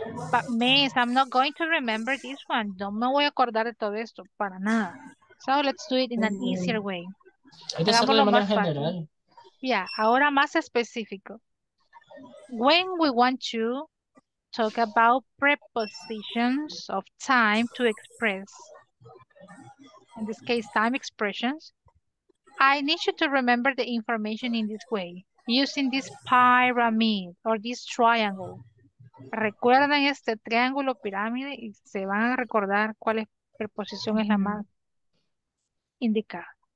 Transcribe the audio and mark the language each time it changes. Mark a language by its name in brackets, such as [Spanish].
[English] But Miss, I'm not going to remember this one. [Spanish] No me voy a acordar de todo esto, para nada. [English] So let's do it in an easier way. [Spanish] Hay que hacerlo de manera general. Yeah, ahora más específico. [English] When we want to talk about prepositions of time to express, in this case, time expressions, I need you to remember the information in this way, using this pyramid or this triangle. [Spanish] Recuerden este triángulo pirámide y se van a recordar cuál es preposición es la más indicada.